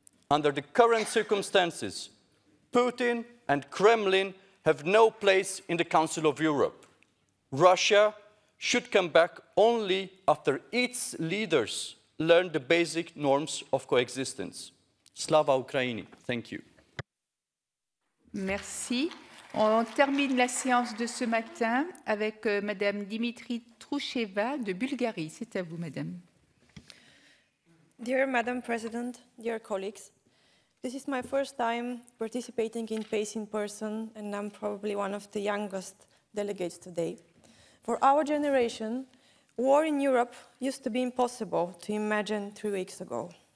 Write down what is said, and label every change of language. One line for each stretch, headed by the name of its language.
English: Under the current circumstances, Putin and Kremlin have no place in the Council of Europe. Russia should come back only after its leaders learn the basic norms of coexistence.
Ukrainian: Slava Ukraini.
English: Thank you.
French: Merci. On termine la séance de ce matin avec Madame Dimitri Troucheva de Bulgarie. C'est à vous, Madame.
English: Dear Madam President, dear colleagues, this is my first time participating in PACE in person, and I'm probably one of the youngest delegates today. For our generation, war in Europe used to be impossible to imagine 3 weeks ago.